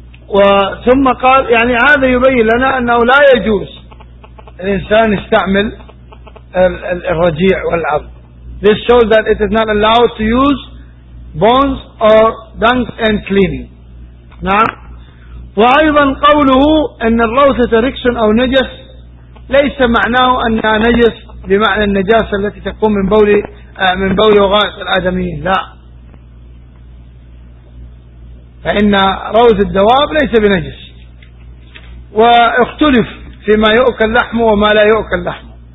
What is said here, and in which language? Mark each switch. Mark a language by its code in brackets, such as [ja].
[ar] وثم قال يعني هذا يبين لنا أنه لا يجوز الإنسان يستعمل الرجيع والعظم. [en] This shows that it is not allowed to use bones or dung and cleaning. [ar] نعم. وأيضا قوله أن الروث ركسٌ أو نجس ليس معناه أنها نجس بمعنى النجاسة التي تقوم من بول وغائط الآدميين. لا. فإن روث الدواب ليس بنجس. واختلف فيما يؤكل لحم وما لا يؤكل لحم.